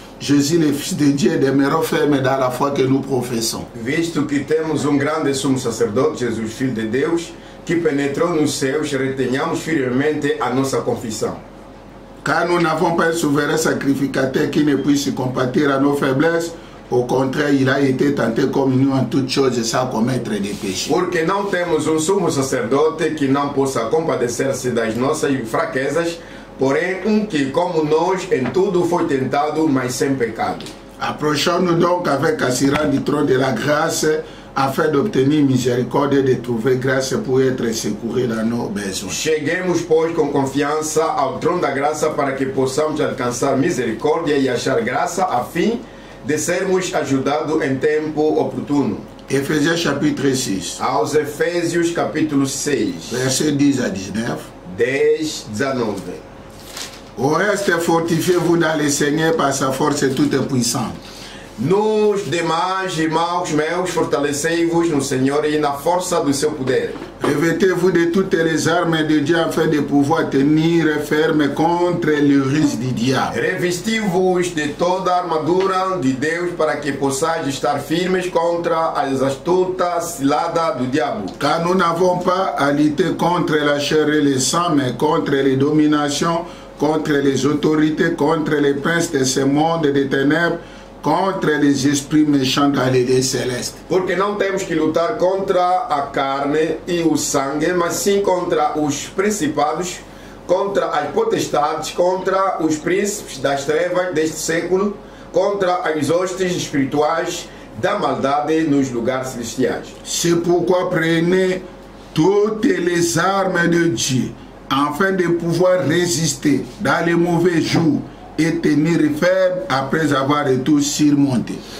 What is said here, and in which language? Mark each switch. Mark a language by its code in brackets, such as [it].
[fr] Jésus, le Fils de Dieu, demeurou ferme dans la foi que nous professons. [pt] Visto que temos grande sumo sacerdote, Jesus, Filho de Deus, que penetrou nos céus, retenhamos firmemente a nossa confissão. [fr] Car nous n'avons pas un souverain sacrificateur qui ne puisse compatir à nos faiblesses. Au contraire, il a été tenté comme nous en toutes choses sans commettre des péchés. [pt] Porque não temos sumo sacerdote que não possa compadecer-se das nossas fraquezas. Porém, que como nós, em tudo foi tentado, mas sem pecado. [fr] Approchons-nous donc avec assurance du trône de la grâce, afin d'obtenir miséricorde et de trouver grâce pour être secourus dans nos besoins. [pt] Cheguemos, pois, com confiança ao trono da graça para que possamos alcançar misericórdia e achar graça, a fim de sermos ajudados em tempo oportuno. Efésios, capítulo 6. Aos Efésios, capítulo 6. Versículo 10 a 19. 10, 19. [fr] Au reste, fortifiez-vous dans le Seigneur par sa force toute puissante. [pt] Nos demais irmãos meus, fortalecei-vos no Senhor e na força do seu poder. [fr] Revêtez-vous de toutes les armes de Dieu afin de pouvoir tenir ferme contre les ruses du [pt] diabo. Revestiu-vos de toda a armadura de Deus para que possais estar firmes contra as astutas ciladas do diabo. [fr] Car nous n'avons pas à lutter contre la chair et le sang, mais contre les dominations, contre les autorités, contre les princes de ce monde de ténèbres, contre les esprits méchants dans les lieux célestes. [pt] Porque não temos que lutar contra a carne e o sangue, mas sim contra os principados, contra as potestades, contra os príncipes das trevas deste século, contra as hostes espirituais da maldade nos lugares celestiais. [fr] C'est pourquoi prenez toutes les armes de Dieu, afin de pouvoir résister dans les mauvais jours et tenir ferme après avoir tout surmonté.